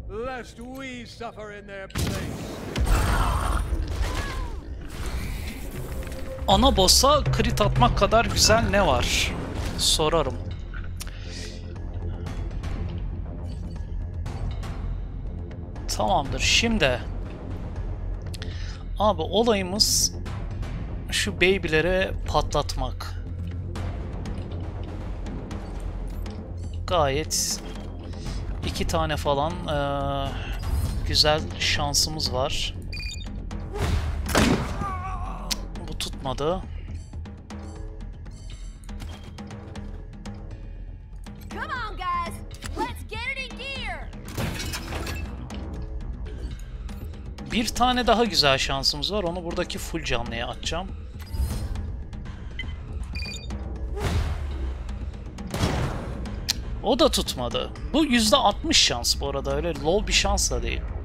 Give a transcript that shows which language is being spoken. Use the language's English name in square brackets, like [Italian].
[English] Lest we suffer in their place. [Turkish] Ana boss'a crit atmak kadar güzel ne var? Sorarım. Tamamdır. Şimdi abi olayımız şu baby'lere patlatmak. Gayet İki tane falan güzel şansımız var. Bu tutmadı. [English] Come on guys, let's get it in gear. [Turkish] Bir tane daha güzel şansımız var. Onu buradaki full canlıya atacağım. O da tutmadı. Bu %60 şans bu arada, öyle low bir şans da değil.